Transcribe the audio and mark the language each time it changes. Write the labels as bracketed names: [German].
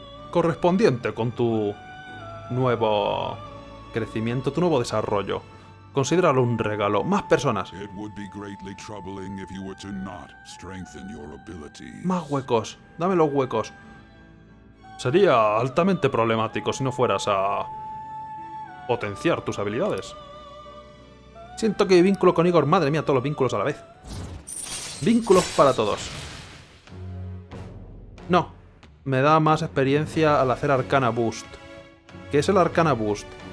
[Spanish] Correspondiente con tu nuevo crecimiento, tu nuevo desarrollo. Considéralo un regalo. Más personas. [English] It would be greatly troubling if you were to not strengthen your abilities. [Spanish] Más huecos. Dame los huecos. Sería altamente problemático si no fueras a potenciar tus habilidades. Siento que hay vínculo con Igor. Madre mía, todos los vínculos a la vez. Vínculos para todos. No. Me da más experiencia al hacer Arcana Boost. ¿Qué es el Arcana Boost?